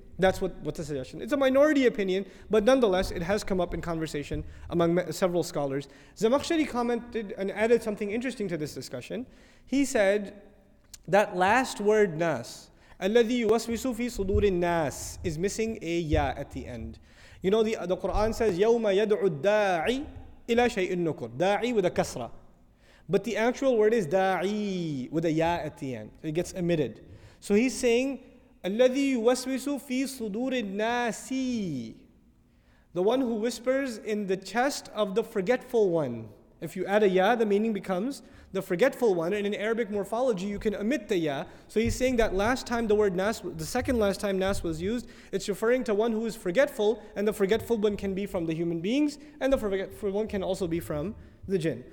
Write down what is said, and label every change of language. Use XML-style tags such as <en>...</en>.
<en>That's what the suggestion. It's a minority opinion, but nonetheless, it has come up in conversation among several scholars. Zamakhshari commented and added something interesting to this discussion. He said that last word nas,</en> <ar>الَّذِي يُوَسْوِسُ فِي صُدُورِ النَّاسِ,</ar> <en>is missing a ya at the end. You know, the Quran says,</en> <ar>يَوْمَ يَدْعُ الدَّاعِ إِلَى شَيْءٍ نُكُرٍ.</ar> <en>Da'i with a kasra. But the actual word is da'i with a ya at the end. It gets omitted. So he's saying,</en> <ar>الَّذِي يُوَسْوِسُ فِي صُدُورِ النَّاسِ.</ar> <en>The one who whispers in the chest of the forgetful one. If you add a ya, the meaning becomes the forgetful one. And in Arabic morphology, you can omit the ya. So he's saying that last time the word nas, the second last time nas was used, it's referring to one who is forgetful, and the forgetful one can be from the human beings, and the forgetful one can also be from the jinn.</en>